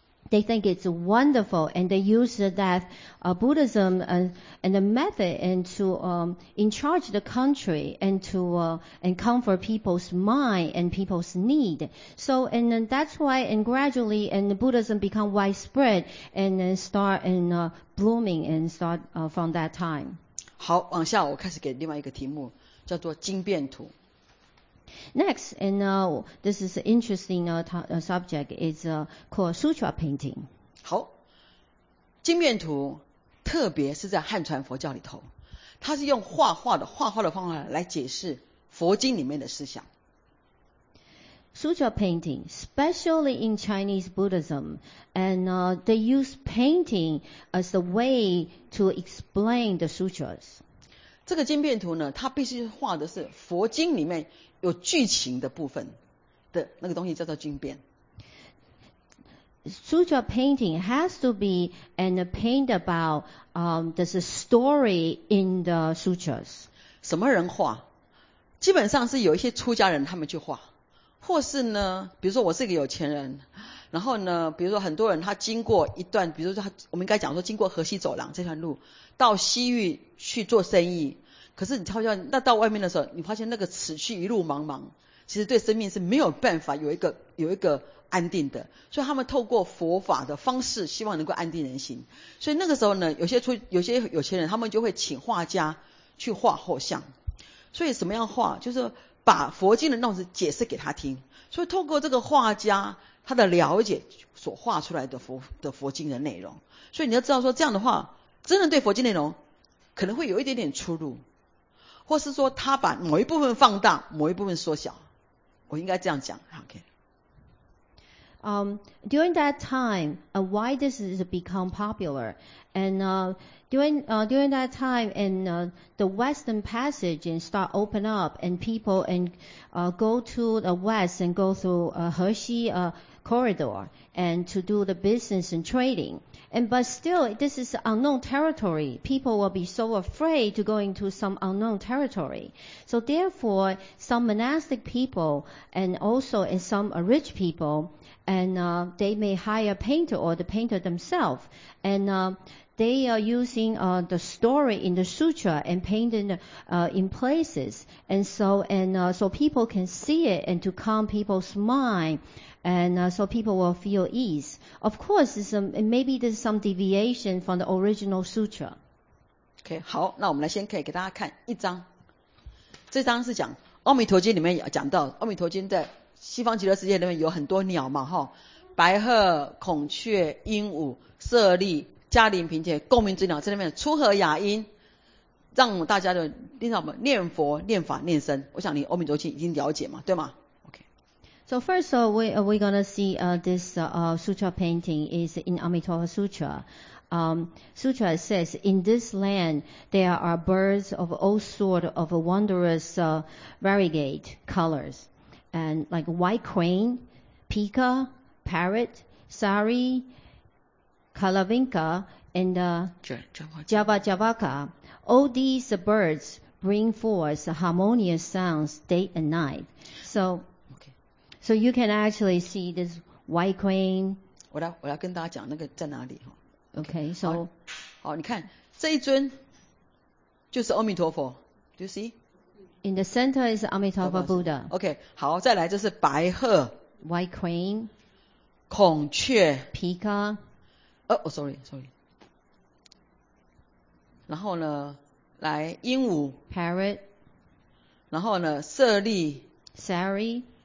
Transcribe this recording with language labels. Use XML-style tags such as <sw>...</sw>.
<en>They think it's wonderful, and they use that Buddhism and the method and to in charge the country and to and comfort people's mind and people's need. So and then that's why and gradually and Buddhism become widespread and then start and blooming and start from that time.</en> <zh>好，往下我开始给另外一个题目，叫做经变图。</zh> <en>Next, and this is an interesting subject, is called sutra painting.</en> <zh>好，经变图特别是在汉传佛教里头，它是用画画的方法来解释佛经里面的思想。</zh> <en>Sutra painting, especially in Chinese Buddhism, and they use painting as a way to explain the sutras.</en> <zh>这个经变图呢，它必须画的是佛经里面有剧情的部分的那个东西叫做经变。</zh> <en>Sutra painting has to be and paint about there's a story in the sutras.</en> <zh>什么人画？基本上是有一些出家人他们去画，或是呢，比如说我是一个有钱人，然后呢，比如说很多人他经过一段，比如说他，我们应该讲说经过河西走廊这段路，到西域去做生意，可是你好像那到外面的时候，你发现那个此去一路茫茫，其实对生命是没有办法有一个安定的，所以他们透过佛法的方式，希望能够安定人心。所以那个时候呢，有些有钱人，他们就会请画家去画佛像。所以什么样画，就是把佛经的那种解释给他听。所以透过这个画家他的了解所画出来的佛经的内容。所以你要知道说，这样的话真的对佛经内容可能会有一点点出入，或是说他把某一部分放大，某一部分缩小，我应该这样讲。 OK。</zh> <en>During that time, why this is become popular? And during that time, and the Western passage and start open up, and people and go to the West and go through Hexi corridor and to do the business and trading. And but still, this is unknown territory. People will be so afraid to go into some unknown territory. So therefore, some monastic people and also and some rich people. And they may hire a painter or the painter themselves. And they are using the story in the sutra and painting in places. And so people can see it and to calm people's mind. And so people will feel ease. Of course, maybe there's some deviation from the original sutra.</en> <zh>Okay, 好，那我们来先可以给大家看一张。这张是讲《阿弥陀经》里面讲到《阿弥陀经》在西方极乐世界里面有很多鸟嘛，齁，白鹤、孔雀、鹦鹉、舍利、嘉陵频伽、共鸣之鸟，在那边出和雅音，让大家的念什么？念佛、念法、念僧。我想你《阿弥陀经》已经了解嘛，对吗？ OK。</zh> <en>So first, we're gonna see sutra painting is in Amitabha Sutra. Sutra says, in this land, there are birds of all sort of wondrous variegated colors. And like white crane, pika, parrot, sari, kalavinka, and javaka. All these birds bring forth harmonious sounds day and night. So you can actually see this white crane.</en> <zh>我要跟大家讲那个在哪里。 Okay, so. 好，你看这一尊就是阿弥陀佛。</zh> <en>Do you see? In the center is Amitabha Buddha.</en> <zh>Okay, 好，再来就是白鹤</zh> <en>White crane.</en> <zh>孔雀</zh> <en>Pika. Sorry.</en> <zh>然后呢，来鹦鹉</zh> <en>Parrot.</en> <zh>然后呢，舍利</zh> <en>Sari.</en>